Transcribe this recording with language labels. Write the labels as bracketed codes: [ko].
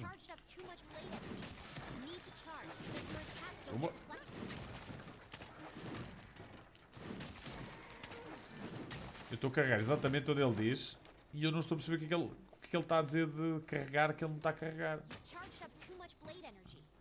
[en] You've charged up too much blade energy. You need to charge so that your attacks don't get deflected. [pt] Eu estou a carregar exatamente onde ele diz e eu não estou a perceber o que é que ele está a dizer de carregar que ele não está a carregar. [en] You've charged up too much blade energy.